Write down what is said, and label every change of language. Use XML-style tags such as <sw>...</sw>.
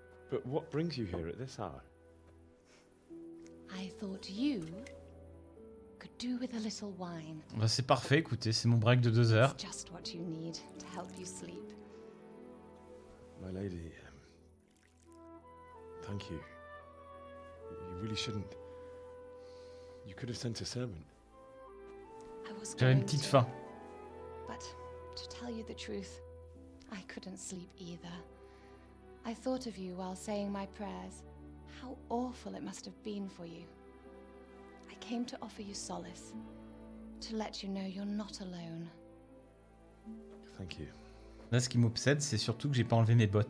<en>But what brings you here at this hour? I thought you could do with a little wine.</en> <fr>Bah c'est parfait, écoutez, c'est mon break de 2 heures.</fr> <en>It's just what you need to help you sleep. My lady, thank you. You really shouldn't. You could have sent a servant. I was going to.</en> <fr>J'avais une petite faim.</fr> <en>But to tell you the truth, I couldn't sleep either. I thought of you while saying my prayers. How awful it must have been for you. I came to offer you solace, to let you know you're not alone. Thank you.</en> <fr>Là, ce qui m'obsède, c'est surtout que j'ai pas enlevé mes bottes.</fr>